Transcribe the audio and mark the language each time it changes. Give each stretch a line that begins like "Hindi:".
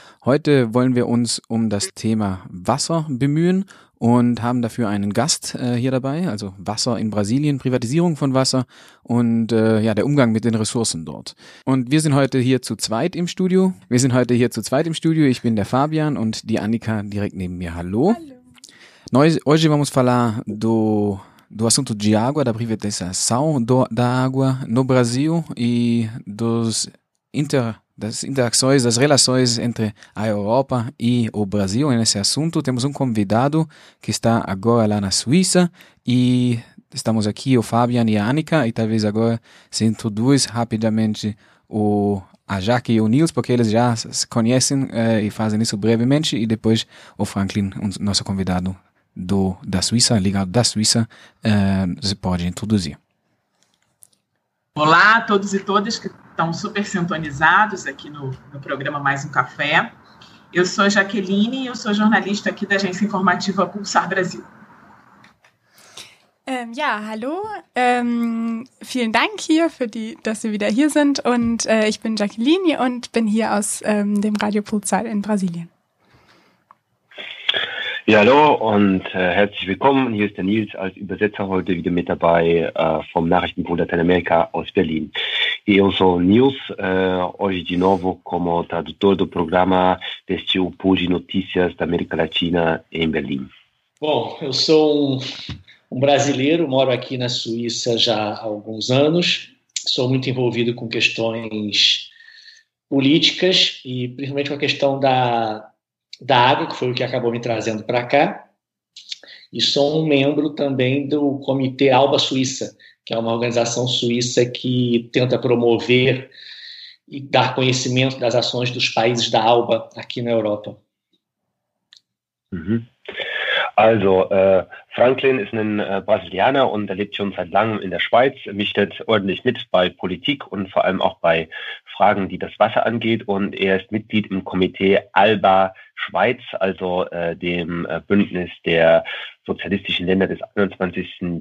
German: Heute wollen wir uns um das Thema Wasser bemühen und haben dafür einen Gast hier dabei, also Wasser in Brasilien, Privatisierung von Wasser und der Umgang mit den Ressourcen dort. Und wir sind heute hier zu zweit im Studio. Wir sind heute hier zu zweit im Studio. Ich bin der Fabian und die Annika direkt neben mir. Hallo. Hallo.
Portuguese: Hoje vamos falar do assunto de água, da privatização da água no Brasil e das interações, das relações entre a Europa e o Brasil. Nesse assunto, temos convidado que está agora lá na Suíça e estamos aqui, o Fabian e a Annika, e talvez agora se introduz rapidamente a Jaque e o Nils, porque eles já se conhecem e fazem isso brevemente, e depois o Franklin, nosso convidado da Suíça, ligado da Suíça, se pode introduzir. Olá a todos e todas que estão super sintonizados aqui no programa Mais um Café. Eu sou a Jaqueline e eu sou jornalista aqui da agência informativa Pulsar Brasil.
German: Hallo. Vielen Dank hier für die, dass Sie wieder hier sind. Und ich bin Jaqueline und bin hier aus dem Radio Pulsar in Brasilien. Ja, hallo und herzlich willkommen. Hier ist der Nils als Übersetzer heute wieder mit dabei vom Nachrichtenbüro Lateinamerika aus Berlin.
Portuguese: E eu sou o Nils, hoje de novo como tradutor do programa deste Pool de Notícias da América Latina em Berlim. Bom, eu sou um brasileiro, moro aqui na Suíça já há alguns anos, sou muito envolvido com questões políticas e principalmente com a questão da água, que foi o que acabou me trazendo para cá, e sou um membro também do Comitê Alba Suíça, que é uma organização suíça que tenta promover e dar conhecimento das ações dos países da Alba aqui na Europa. Uhum.
German: Also, Franklin ist ein Brasilianer und er lebt schon seit langem in der Schweiz, mischt ordentlich mit bei Politik und vor allem auch bei Fragen, die das Wasser angeht. Und er ist Mitglied im Komitee Alba Schweiz, also dem Bündnis der sozialistischen Länder des 21.